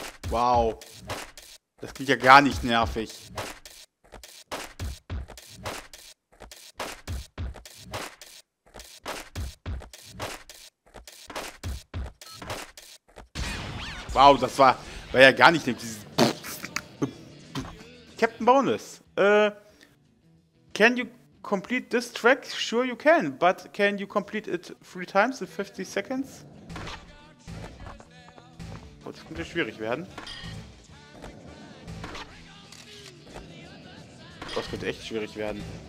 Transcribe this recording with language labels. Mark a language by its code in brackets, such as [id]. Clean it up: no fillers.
[de] Wow. Das klingt ja gar nicht nervig. Wow, das war ja gar nicht nervig. [en] Captain Bonus, can you complete this track? Sure you can, but can you complete it 3 times in 50 seconds? [de] Oh, das könnte schwierig werden. Das könnte echt schwierig werden.